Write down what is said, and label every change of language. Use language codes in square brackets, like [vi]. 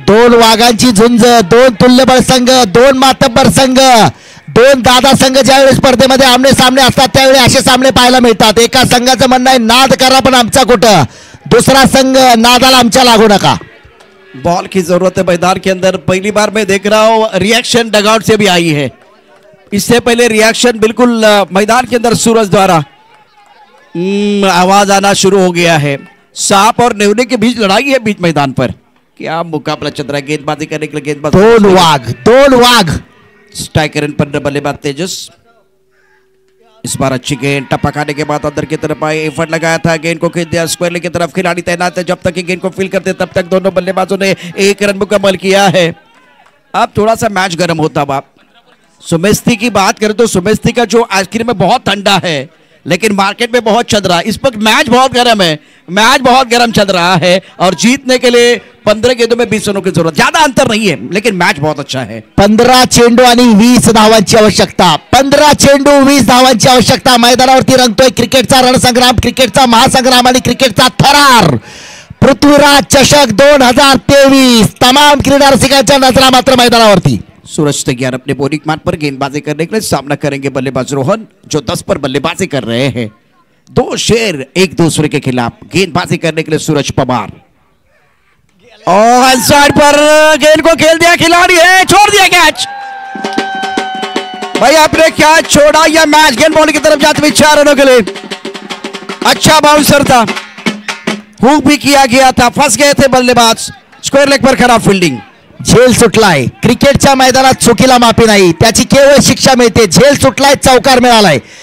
[mr] दोन वाघांची झुंज, दोन तुल्यबळ संघ, दोन मातब्बर संघ, दोन दादा संघ ज्यावेळी स्पर्धेमध्ये आमने सामने असतात त्यावेळी असे सामने पाहायला मिळतात। एका संघाचं म्हणणं आहे नाद करा पण आमचा कुठं, दुसरा संघ नादाला आमच्या लागू नका। [hi] बॉल की जरूरत है मैदान के अंदर, पहली बार मैं देख रहा हूँ रिएक्शन डगआउट से भी आई है, इससे पहले रिएक्शन बिल्कुल मैदान के अंदर सूरज द्वारा। आवाज आना शुरू हो गया है, सांप और नेवले के बीच लड़ाई है बीच मैदान पर, क्या मुकाबला चल रहा है। गेंदबाजी करने के लिए गेंदबाज, [mr] दोन वाघ, दोन वाघ, [hi] स्ट्राइकर इन पर बल्लेबाज तेजस। इस बार अच्छी गेंद, टपकाने के बाद अंदर की तरफ आए, एफर्ट लगाया था, गेंद को खेल दिया स्क्वायर लेग की तरफ, खिलाड़ी तैनात है, जब तक कि गेंद को फील करते तब तक दोनों बल्लेबाजों ने एक रन मुकम्मल किया है। अब थोड़ा सा मैच गर्म होता बाप, सुमेस्ती की बात करें तो सुमेस्ती का जो आइसक्रीम है बहुत ठंडा है लेकिन मार्केट में बहुत चल रहा है। इस वक्त मैच बहुत गर्म है, मैच बहुत गर्म चल रहा है और जीतने के लिए 15 गेंदों में 20 रनों की जरूरत, ज्यादा अंतर नहीं है लेकिन मैच बहुत अच्छा है। [mr] 15 चेंडू आणि 20 धावांची आवश्यकता, 15 चेंडू 20 धावांची आवश्यकता। मैदानावरती रंगतोय क्रिकेटचा रणसंग्राम, क्रिकेटचा महासंग्राम आणि क्रिकेटचा थरार। पृथ्वीराज चषक 2023 तमाम क्रीडा रसिकांच्या नजरा मात्र मैदानावरती। [hi] सूरज तैयार अपने बोलिंग मार्ग पर, गेंदबाजी करने के लिए सामना करेंगे बल्लेबाज रोहन जो 10 पर बल्लेबाजी कर रहे हैं। दो शेर एक दूसरे के खिलाफ, गेंदबाजी करने के लिए सूरज पवार। ऑन साइड पर गेंद को खेल दिया खिलाड़ी है, छोड़ दिया कैच, भाई आपने क्या छोड़ा यह मैच। गेंद बॉल की तरफ जाते हुए 4 रनों के लिए, अच्छा बाउंसर था, हुक भी किया गया था, फंस गए थे बल्लेबाज, स्क्वायर लेग पर खराब फील्डिंग, [mr] झेल सुटलाय। क्रिकेटच्या मैदानात चुकीला माफी नाही, त्याची केवळ शिक्षा मिळते, झेल सुटलाय, चौकार मिळालाय।